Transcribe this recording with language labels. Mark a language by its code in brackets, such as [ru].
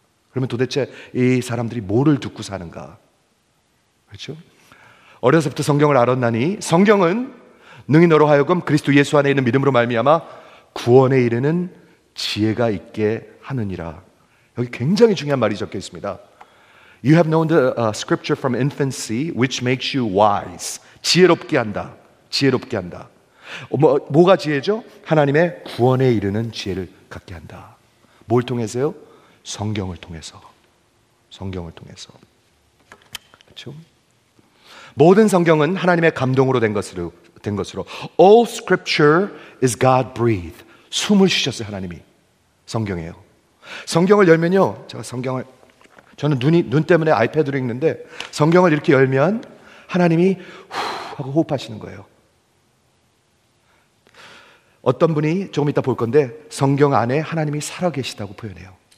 [ko] 그러면 도대체 이 사람들이 뭐를 듣고 사는가? 그렇죠? 어려서부터 성경을 알았나니 성경은 능히 너로 하여금 그리스도 예수 안에 있는 믿음으로 말미암아 구원에 이르는 지혜가 있게 하느니라. 여기 굉장히 중요한 말이 적혀 있습니다. [en] You have known the scripture from infancy, which makes you wise. [ko] 지혜롭게 한다. 지혜롭게 한다. 뭐가 지혜죠? 하나님의 구원에 이르는 지혜를 갖게 한다. 뭘 통해서요? 성경을 통해서. 성경을 통해서. 그렇죠? 모든 성경은 하나님의 감동으로 된 것으로. [en] All scripture is God-breathed. [ko] 숨을 쉬셨어요, 하나님이. 성경이에요. 성경을 열면요, 제가 성경을, 저는 눈 때문에 아이패드로 읽는데 성경을 이렇게 열면 하나님이 후 하고 호흡하시는 거예요. 어떤 분이 조금 이따 볼 건데 성경 안에 하나님이 살아계시다고 표현해요.